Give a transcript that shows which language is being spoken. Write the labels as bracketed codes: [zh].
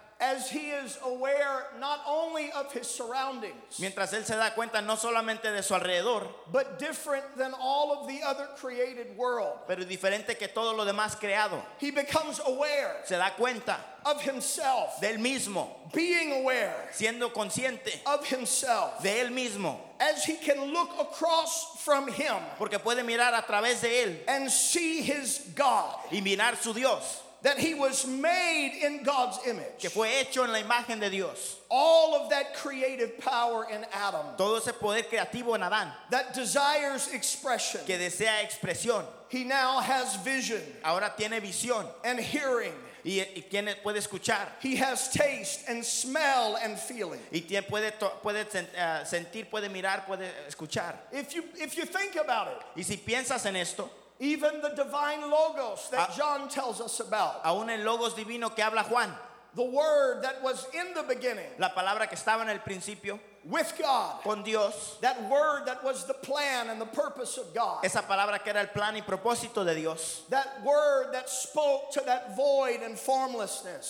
[en] As he is aware not only of his surroundings. [es] Mientras él se da cuenta no solamente de su alrededor. [en] But different than all of the other created world. [es] Pero diferente que todo lo demás creado. [en] He becomes aware. [es] Se da cuenta. [en] Of himself. [es] Del mismo. [en] Being aware. [es] Siendo consciente. [en] Of himself. [es] De él mismo. [en] As he can look across from him. [es] Porque puede mirar a través de él. [en] And see his God. [es] Y mirar su Dios. [en] That he was made in God's image. [es] Que fue hecho en la imagen de Dios. [en] All of that creative power in Adam. [es] Todo ese poder creativo en Adán. [en] That desires expression. [es] Que desea expresión. [en] He now has vision. [es] Ahora tiene visión. [en] And hearing. [es] Y tiene, puede escuchar. [en] He has taste and smell and feeling. [es] Y tiene, puede sentir, puede mirar, puede escuchar. [en] If you think about it. [es] Y si piensas en esto. [en] Even the divine logos that John tells us about. [es] Aún el logos divino que habla Juan. [en] The word that was in the beginning. [es] La palabra que estaba en el principio. [en] With God. [es] Con Dios. [en] That word that was the plan and the purpose of God. [es] Esa palabra que era el plan y propósito de Dios. [en] That word that spoke to that void and formlessness.